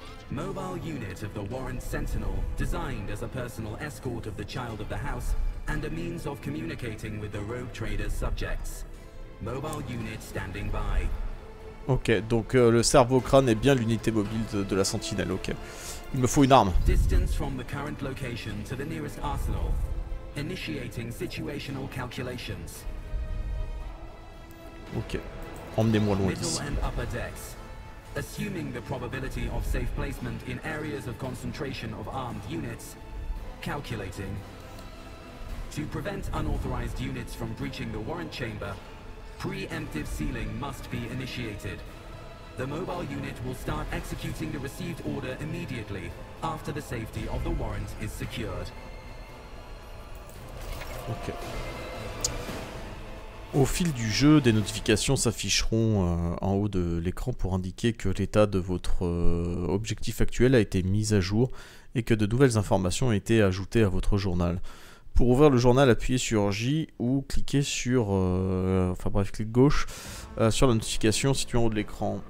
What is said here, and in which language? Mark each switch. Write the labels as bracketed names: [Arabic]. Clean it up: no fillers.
[English] Mobile unit of the Warrant Sentinel, designed as a personal escort of the Child of the House and a means of communicating with the Rogue Trader's subjects. Mobile unit standing by. [French] Ok, donc le cerveau-crâne est bien l'unité mobile de la sentinelle, ok. Il me faut une arme. [English] Distance from the current location to the nearest arsenal. Initiating situational calculations. [French] Ok, emmenez-moi loin ici. [English] Middle and upper decks. Assuming the probability of safe placement in areas of concentration of armed units. Calculating. To prevent unauthorized units from breaching the warrant chamber. Preemptive sealing must be initiated. The mobile unit will start executing the received order immediately after the safety of the warrant is secured. Ok. [French] Au fil du jeu, des notifications s'afficheront en haut de l'écran pour indiquer que l'état de votre objectif actuel a été mis à jour et que de nouvelles informations ont été ajoutées à votre journal. Pour ouvrir le journal, appuyez sur J ou cliquez sur, clic gauche sur la notification située en haut de l'écran.